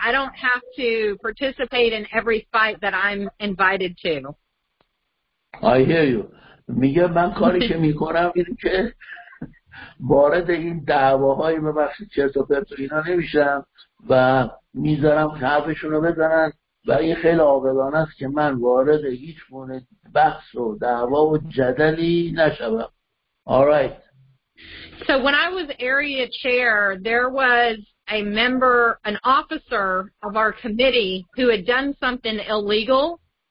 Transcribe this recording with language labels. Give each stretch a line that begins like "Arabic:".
English: I don't have to participate in every fight that I'm invited to. I hear you.
Persian: میگه من کاری که میکنم اینه که وارد این دعواهای مبخشی چرت و پرت و اینا نمیشم و میذارم حرفشون رو بزنن و این خیلی عاقلانه است که من وارد هیچ گونه بحث و دعوا و جدلی نشوم.
English: All right. So when I was area chair, there was a member, an officer of our committee who had done something illegal.